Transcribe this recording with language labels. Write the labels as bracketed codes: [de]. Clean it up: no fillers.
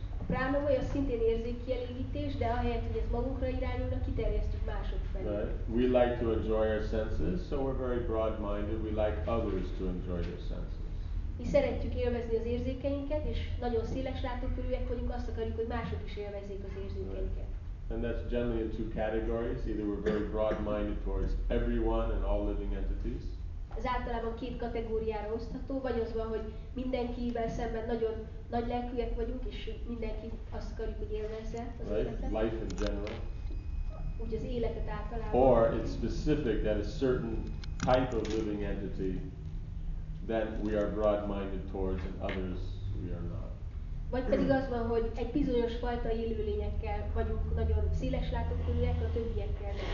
[hu] Pranamoy az szintén érzékkielégítés, de ahelyett, hogy ez magunkra irányul, kiterjesztjük mások felé. [en] Right? We like to enjoy our senses, so we're very broad-minded. We like others to enjoy their senses. [hu] Mi szeretjük élvezni az érzékeinket, és nagyon széles látókörűek vagyunk, azt akarjuk, hogy mások is élvezzék az érzékeinket. [en] And that's generally in two categories. Either we're very broad-minded towards everyone and all living entities. [hu] Ez általában két kategóriára osztható, vagy az van, hogy mindenkivel szemben nagyon nagy lelkűek vagyunk, és mindenki azt akarjuk, hogy élvezze az életet. [en] Life in general. [hu] Úgy az életet általában. [en] Or it's specific that a certain type of living entity that we are broad-minded towards and others we are not. [hu] Vagy pedig az van, hogy egy bizonyos fajta élőlényekkel vagyunk nagyon széles látókörűek, a többiekkel.